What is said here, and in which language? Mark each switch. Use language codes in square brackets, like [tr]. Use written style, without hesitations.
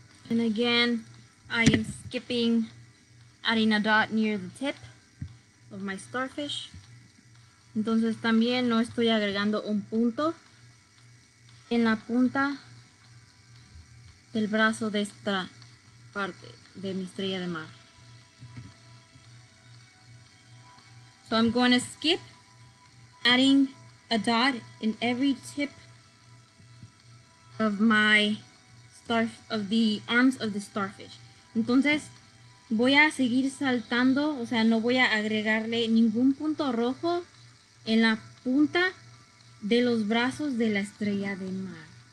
[en] And again, I am skipping adding a dot near the tip of my starfish. [es] Entonces también no estoy agregando un punto en la punta del brazo de esta parte de mi estrella de mar. [en] So I'm going to skip adding a dot in every tip of my arms of the starfish. [es] Entonces, voy a seguir saltando, o sea, no voy a agregarle ningún punto rojo en la punta de los brazos de la estrella de mar.